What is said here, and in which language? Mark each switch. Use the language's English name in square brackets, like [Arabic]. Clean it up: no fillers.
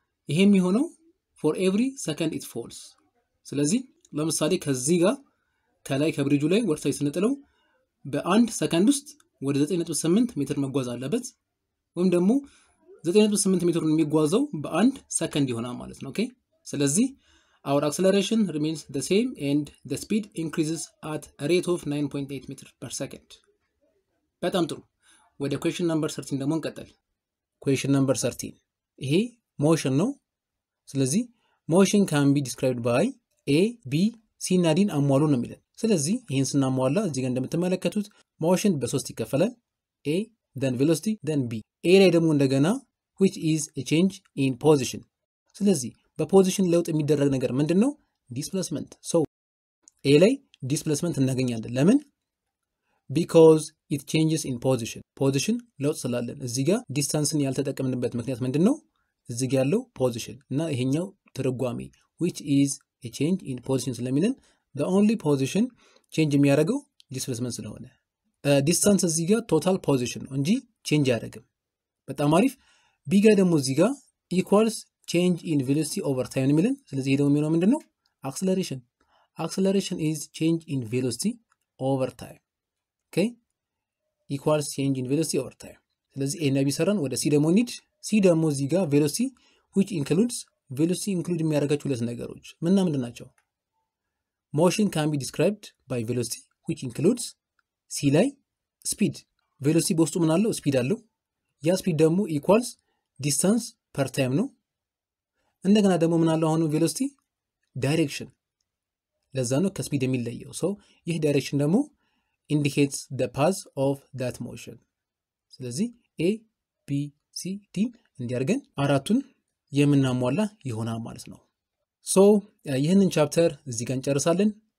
[Amharic] ይሄም ይሆነው [English] for every second it falls [Amharic] ስለዚህ ለምሳሌ ከዚህ ጋር ከላይ ከብሪጁ ላይ ወርታይ ስንጥለው በአንድ ሰከንድ ውስጥ ወደ 9.8 ሜትር መጓዝ አለበት ወይም ደግሞ 9.8 ሜትሩን የሚጓዘው በአንድ ሰከንድ ይሆናል ማለት ነው። [English] okay ስለዚህ our acceleration remains the same and the speed increases at a rate of 9.8 meter per second. [Amharic] በጣም ጥሩ። ወደ question number 13 ደግሞ እንቀጥል። question number 13 ይሄ motion ነው። ስለዚህ motion can be described by a b c እና d አሟሉ ነው የሚለው። ስለዚህ ይሄን ስናሟላ እዚህ ጋር እንደምትመለከቱት motion በሶስት ይከፈላል a then velocity then b a ላይ ደግሞ እንደገና [English] which is a change in position [Amharic] ስለዚህ በፖዚሽን ለውጥ የሚደረግ ነገር ምንድነው? displacement. so a ላይ displacement እናገኛለን። ለምን? [English] because it changes in position. [Amharic] position ለውጥ ስላለን እዚህ ጋር distance-ን ያልተጠቀምንበት ምክንያት ምንድነው? እዚህ ጋር ያለው position እና ይሄኛው ትርጓሜ [English] which is a change in position [Amharic] ስለሚለን the only position change የሚያደርገው displacement ስለሆነ distance እዚህ ጋር total position ነው እንጂ change አያደርግም። በጣም አሪፍ። b ጋር ደግሞ እዚህ ጋር equals change in velocity over time ምንድነው? ስለዚህ ደግሞ ምን ምንድነው? acceleration. [English] acceleration is change in velocity over time. okay? equals change in velocity over time. [Amharic] ስለዚህ a እና b ሰራን ወደ c ደግሞ እንሂድ። c ደግሞ እዚህ ጋር velocity which includes velocity include የሚያደርጋቸው ሁለት ነገሮች ምንና ምንድናቸው? [English] motion can be described by velocity which includes c ላይ speed. [Amharic] velocity በውስጡ ምን አለው? speed አለው። ያ speed ደግሞ equals distance per time ነው። እንደገና ደግሞ ምን አለ አሁን velocity direction ለዛ ነው ከspeed የሚለየው። so ይህ direction ደግሞ [English] indicates the path of that motion [Amharic] ስለዚህ a b c d እንዲያርገን አራቱን የምናሟላ ይሆናል ማለት ነው። so ይሄንን chapter እዚህ ጋር እንጨርሳለን።